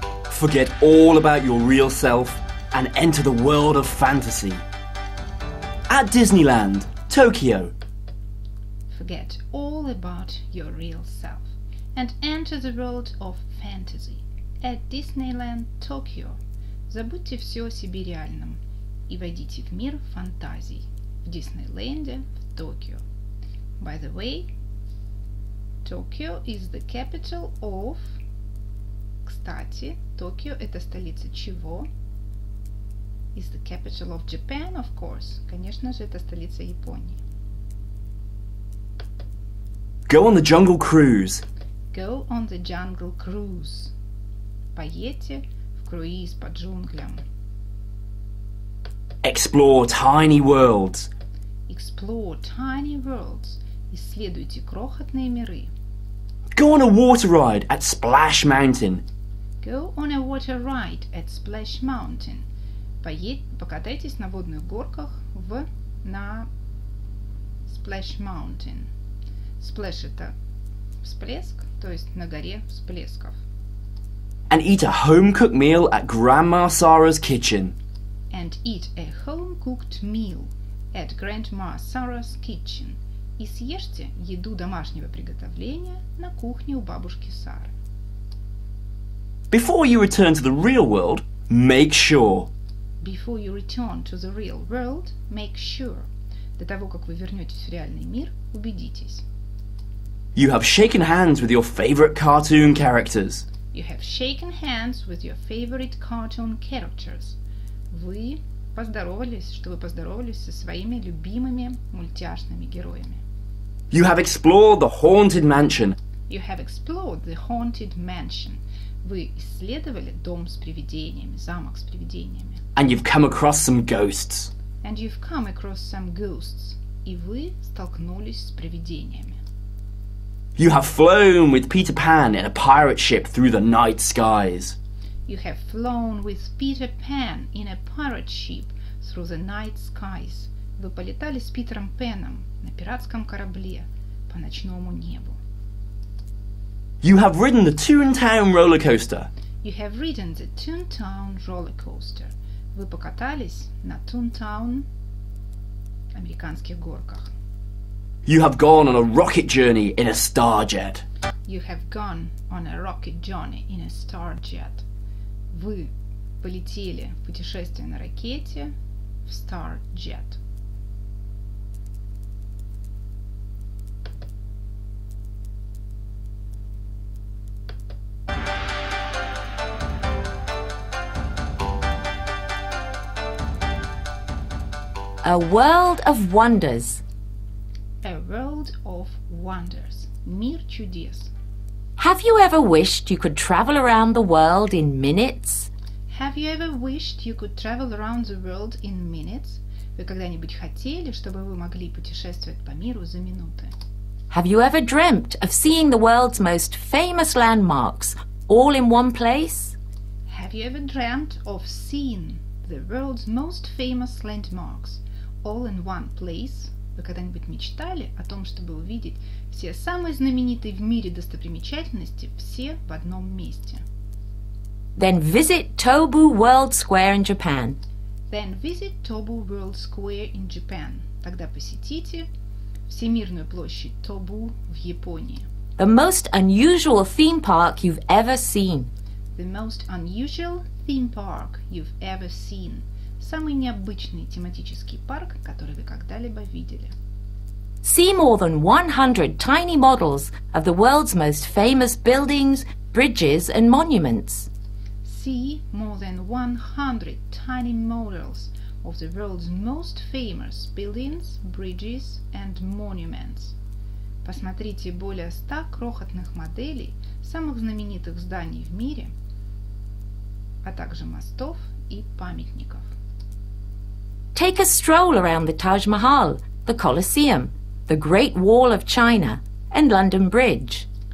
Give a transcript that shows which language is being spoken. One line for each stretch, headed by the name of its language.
English: Forget all about your real self and enter the world of fantasy. At Disneyland, Tokyo. Forget all about your real self and enter the world of fantasy. At Disneyland, Tokyo.
Russian: Забудьте все о себе реальном и войдите в мир фантазий. В Диснейленде, в Токио.
English: By the way, Tokyo is the capital of...
Russian: Кстати, Токио – это столица чего?
English: is the capital of Japan, of course.
Russian: Конечно же, это столица Японии.
English: Go on the jungle cruise. Go on the jungle cruise.
Russian: Поедьте в круиз по джунглям.
English: Explore tiny worlds. Explore tiny worlds.
Russian: Исследуйте крохотные миры.
English: Go on a water ride at Splash Mountain. Go on a water ride at Splash Mountain.
Russian: Покатайтесь на водных горках на Splash Mountain. Splash – это всплеск, то есть на горе всплесков.
English: And eat a home-cooked meal at Grandma Sarah's kitchen. And eat a home-cooked meal at Grandma Sarah's kitchen.
Russian: И съешьте еду домашнего приготовления на кухне у бабушки Сары.
English: Before you return to the real world, make sure. Before you return to the real world, make sure.
Russian: До того, как вы вернетесь в реальный мир, убедитесь.
English: You have shaken hands with your favorite cartoon characters. You have shaken hands with your favorite cartoon characters.
Russian: Вы поздоровались, чтобы поздоровались со своими любимыми мультяшными героями.
English: You have explored the haunted mansion. You have explored the haunted mansion.
Russian: Вы исследовали дом с привидениями, замок с привидениями.
English: And you've come across some ghosts. And you've come across some ghosts.
Russian: И вы столкнулись с привидениями.
English: You have flown with Peter Pan in a pirate ship through the night skies. You have flown with Peter Pan in a pirate ship through the night skies.
Russian: Вы полетали с Питером Пеном на пиратском корабле по ночному небу.
English: You have ridden the Toontown roller coaster. You have ridden the Toontown roller coaster.
Russian: Вы покатались на Toontown американских горках.
English: You have gone on a rocket journey in a star jet. You have gone on a rocket journey in a star jet.
Russian: Вы полетели в путешествие на ракете в star jet.
English: A world of wonders. A world of wonders.
Russian: Мир чудес.
English: Have you ever wished you could travel around the world in minutes? Have you ever wished you could travel around the world in minutes?
Russian: Вы когда-нибудь хотели, чтобы вы могли путешествовать по миру за минуты?
English: Have you ever dreamt of seeing the world's most famous landmarks all in one place? Have you ever dreamt of seeing the world's most famous landmarks all in one place?
Russian: Вы когда-нибудь мечтали о том, чтобы увидеть все самые знаменитые в мире достопримечательности все в одном месте?
English: Then visit Tobu World Square in Japan. Then visit Tobu World Square in Japan.
Russian: Тогда посетите Всемирную площадь Тобу в Японии.
English: The most unusual theme park you've ever seen. The most unusual theme park you've ever seen.
Russian: Самый необычный тематический парк, который вы когда-либо видели.
English: See more than 100 tiny models of the world's most famous buildings, bridges and monuments. See more than 100 tiny models of the world's most famous buildings, bridges and monuments.
Russian: Посмотрите более 100 крохотных моделей самых знаменитых зданий в мире, а также мостов и памятников.
English: Take a stroll around the Taj Mahal, the Colosseum, the Great Wall of China, and London Bridge.